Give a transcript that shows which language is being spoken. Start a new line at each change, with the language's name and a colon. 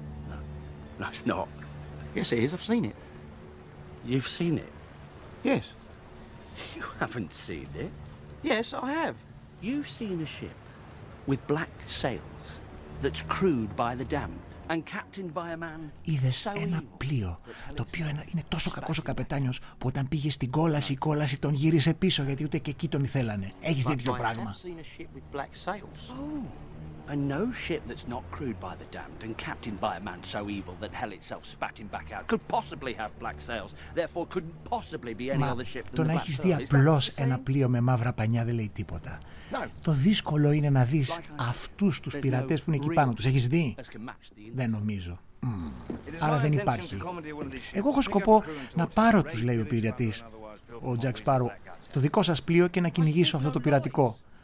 English: No. No, it's not. Yes, it is. I've seen it. You've seen it? Yes. You haven't seen it? Yes, I have. You've seen a ship. With black sails that's crewed by the damned and captained by a man.
Greek: Είδες ένα πλοίο, το οποίο είναι τόσο κακός ο καπετάνιος που όταν πήγε στην κόλαση, η κόλαση τον γύρισε πίσω γιατί ούτε και εκεί τον ήθελανε. Έχεις δει τέτοιο πράγμα?
English: And no ship that's not crewed by the damned and captained by a man so evil that hell itself spat him back out could possibly have black sails, therefore couldn't possibly be any other ship than the Black Pearl.
Greek: Το να έχεις δει απλώς ένα πλοίο με μαύρα πανιά δεν λέει τίποτα. Το δύσκολο είναι να δεις αυτούς τους πειρατές που είναι εκεί πάνω. Τους έχεις δει? Δεν νομίζω. Άρα δεν υπάρχει. Εγώ έχω σκοπό να πάρω, τους λέει ο πειρατής, ο Jack Sparrow, το δικό σας πλοίο και να κυνηγήσω αυτό το πειρατικό.